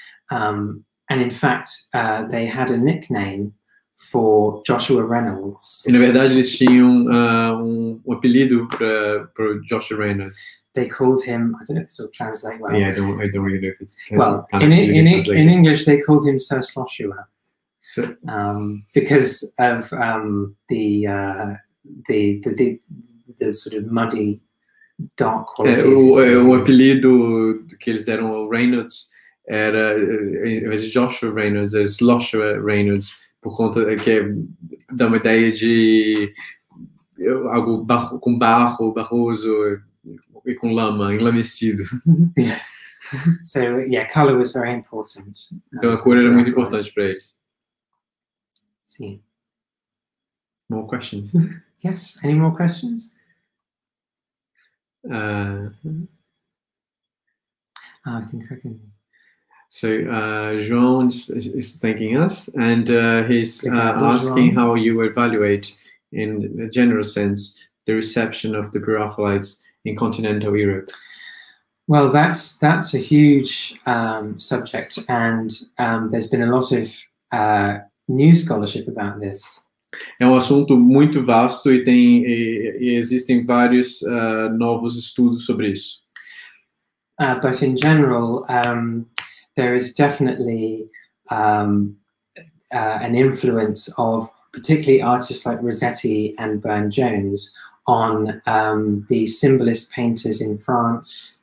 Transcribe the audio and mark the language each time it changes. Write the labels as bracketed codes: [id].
[en] And in fact, they had a nickname for Joshua Reynolds. [pt] E, na verdade, eles tinham um apelido para Joshua Reynolds. [en] They called him, I don't know if this will translate well. Yeah, I don't really know if it's well. In English, they called him Sir Sloshua. So, because of the sort of muddy, dark quality. [pt] O apelido que eles deram ao Reynolds era, em vez de Joshua Reynolds, era Sloshua Reynolds, por conta que dá uma ideia de algo barro, com barro, barroso e com lama, enlamecido. [en] Yes. So, yeah, color was very important. [pt] Então a cor era muito importante para eles. Sim. [en] More questions? Yes. Any more questions? I think I can. So João is thanking us, and he's asking João how you evaluate, in a general sense, the reception of the Pre-Raphaelites in continental Europe. Well, that's a huge subject, and there's been a lot of new scholarship about this. [pt] É um assunto muito vasto e existem vários novos estudos sobre isso. [en] But in general, there is definitely an influence of particularly artists like Rossetti and Burne-Jones on the symbolist painters in France.